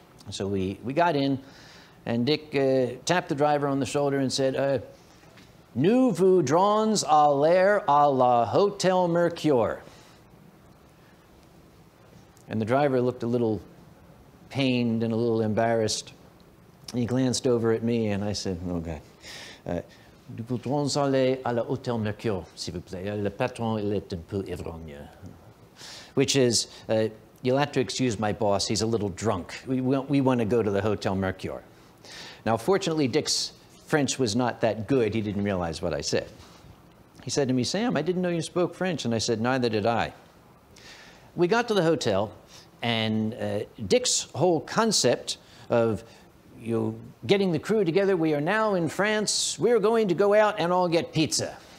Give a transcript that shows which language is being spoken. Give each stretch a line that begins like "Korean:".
English: So we got in, and Dick tapped the driver on the shoulder and said,
French: Nouveau drones à l'air à la Hotel Mercure.
English: And the driver looked a little pained and a little embarrassed. He glanced over at me, and I said, okay.
French: Nous voudrons aller à l'hôtel Mercure, s'il vous plaît. Le patron, il est un peu ivrogne.
English: Which is, you'll have to excuse my boss. He's a little drunk. We want to go to the Hotel Mercure. Now, fortunately, Dick's French was not that good. He didn't realize what I said. He said to me, Sam, I didn't know you spoke French. And I said, neither did I. We got to the hotel, and Dick's whole concept of, you know, getting the crew together, we are now in France, we're going to go out and all get pizza.